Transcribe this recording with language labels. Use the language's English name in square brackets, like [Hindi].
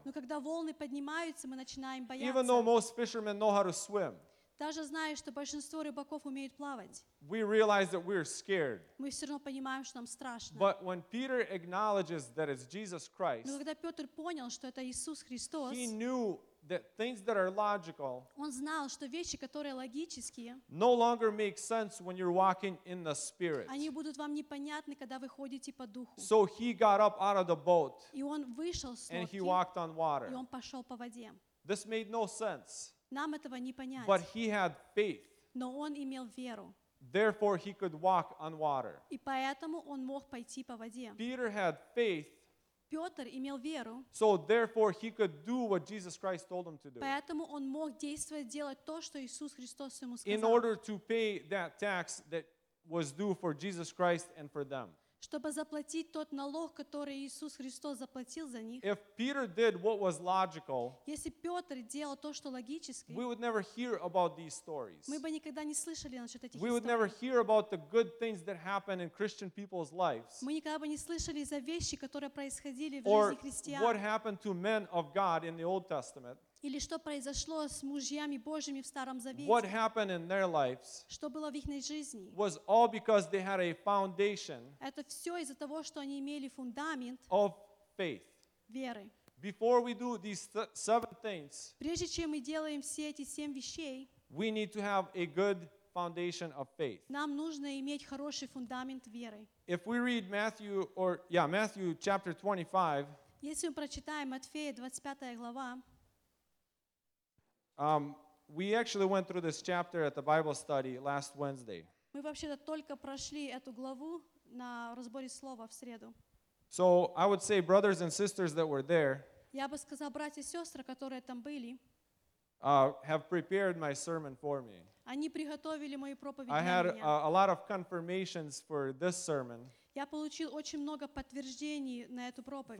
[Russian] Но когда волны поднимаются, мы начинаем бояться. [English] Even though most fishermen know how to swim. [Russian] Даже зная, что большинство рыбаков умеют плавать. [English] We realize that we're scared. [Russian] Мы все равно понимаем, что нам страшно. [English] But when Peter acknowledges that it's Jesus Christ. [Russian] Но когда Петр понял, что это Иисус Христос. [English] He knew that things that are logical. [Russian] Он знал, что вещи, которые логические. [English] No longer make sense when you're walking in the Spirit. [Russian] Они будут вам непонятны, когда вы ходите по духу. [English] So he got up out of the boat. [Russian] И он вышел с лодки. [English] And he walked on water. [Russian] И он пошел по воде. [English] This made no sense. [Russian] Нам этого не понять. [English] But he had faith. [Russian] Но он имел веру. [English] Therefore, he could walk on water. [Russian] И поэтому он мог пойти по воде. [English] Peter had faith. [Russian] Петр имел веру. [English] So therefore, he could do what Jesus Christ told him to do. [Russian] Поэтому он мог действовать, делать то, что Иисус Христос ему сказал. [English] In order to pay that tax that was due for Jesus Christ and for them. [Russian] чтобы заплатить тот налог, который Иисус Христос заплатил за них. [English] If Peter did what was logical, [Russian] если Петр делал то, что логическое, [English] we would never hear about these stories. [Russian] Мы бы никогда не слышали насчет этих историй. [English] We would never hear about the good things that happen in Christian people's lives. [Russian] Мы никогда бы не слышали за вещи, которые происходили в жизни христиан. [English] Or what happened to men of God in the Old Testament. [Russian] Или что произошло с мужьями Божьими в Старом Завете? [English] What happened in their lives? [Russian] Что было в их жизни? [English] Was all because they had a foundation. [Russian] Это все из-за того, что они имели фундамент. [English] Of faith. [Russian] Веры. [English] Before we do these seven things. [Russian] Прежде чем мы делаем все эти семь вещей. [English] We need to have a good foundation of faith. [Russian] Нам нужно иметь хороший фундамент веры. [English] If we read Matthew or yeah Matthew chapter 25. [Russian] Если мы прочитаем Матфея 25 глава. [English] We actually went through this chapter at the Bible study last Wednesday. [Russian] Мы вообще-то только прошли эту главу на разборе слова в среду. [English] So I would say, brothers and sisters that were there, [Russian] я бы сказал, братья и сестры, которые там были, [English] have prepared my sermon for me. [Russian] Они приготовили мою проповедь. [English] I had a lot of confirmations for this sermon. [Russian] Я получил очень много подтверждений на эту проповедь.